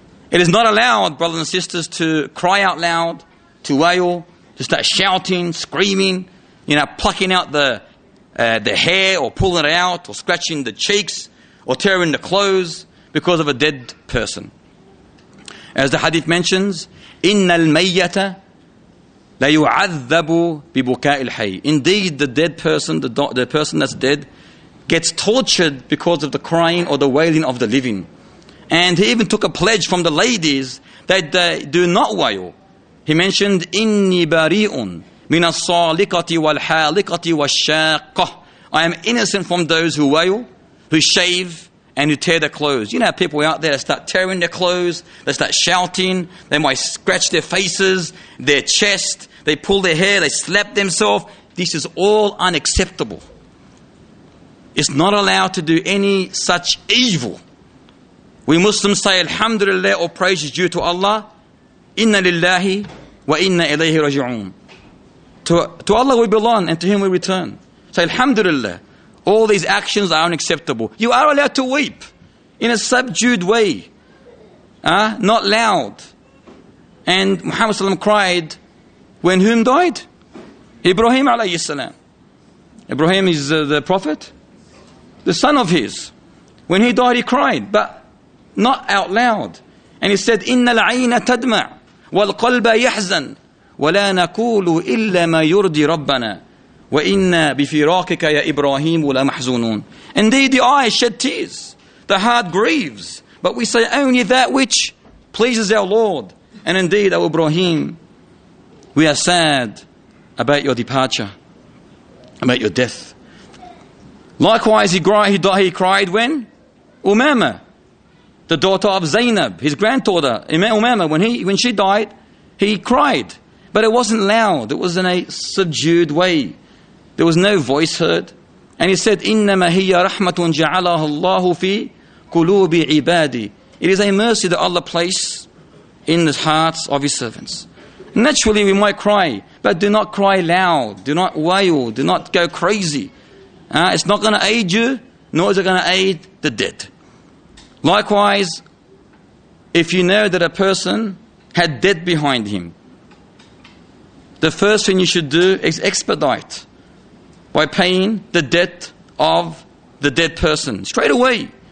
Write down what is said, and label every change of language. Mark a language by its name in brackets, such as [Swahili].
[English] It is not allowed, brothers and sisters, to cry out loud, to wail, to start shouting, screaming, you know, plucking out the hair or pulling it out or scratching the cheeks or tearing the clothes because of a dead person. As the hadith mentions, [Arabic] إِنَّ الْمَيَّةَ لَيُعَذَّبُ بِبُكَاءِ الْحَيِّ. [English] Indeed, the dead person, the person that's dead, gets tortured because of the crying or the wailing of the living. And he even took a pledge from the ladies that they do not wail. He mentioned, [Arabic] إِنِّي بَرِيءٌ مِنَ الصَّالِقَةِ وَالْحَالِقَةِ وَالشَّاقَةِ. [English] I am innocent from those who wail, who shave, and who tear their clothes. You know how people out there start tearing their clothes, they start shouting, they might scratch their faces, their chest, they pull their hair, they slap themselves. This is all unacceptable. It's not allowed to do any such evil. We Muslims say, alhamdulillah, all praise is due to Allah. [Arabic] Inna lillahi wa inna ilayhi raji'un. [English] To Allah we belong and to Him we return. Say, alhamdulillah, all these actions are unacceptable. You are allowed to weep in a subdued way, not loud. And Muhammad Sallam cried when whom died? Ibrahim alayhi salam. Ibrahim is the prophet, the son of his. When he died, he cried, but not out loud. And he said, [Arabic] إِنَّ الْعَيْنَ تَدْمَعْ وَالْقَلْبَ يَحْزَنْ وَلَا نَكُولُ إِلَّا مَا يُرْضِي رَبَّنَا وَإِنَّا بِفِرَاقِكَ يَا إِبْرَاهِيمُ لَمَحْزُونُونَ. [English] Indeed, the eyes shed tears, the heart grieves, but we say only that which pleases our Lord. And indeed, O Ibrahim, We are sad about your departure, about your death. Likewise, he cried when Umama, the daughter of Zainab, his granddaughter, Umama, when she died, he cried. But it wasn't loud. It was in a subdued way. There was no voice heard. And he said, [Arabic] إِنَّمَا هِيَ رَحْمَةٌ جَعَلَهُ اللَّهُ فِي قُلُوبِ عِبَادِي. [English] It is a mercy that Allah placed in the hearts of His servants. Naturally, we might cry, but do not cry loud. Do not wail. Do not go crazy. It's not going to aid you, nor is it going to aid the dead. Likewise, if you know that a person had debt behind him, the first thing you should do is expedite by paying the debt of the dead person straight away.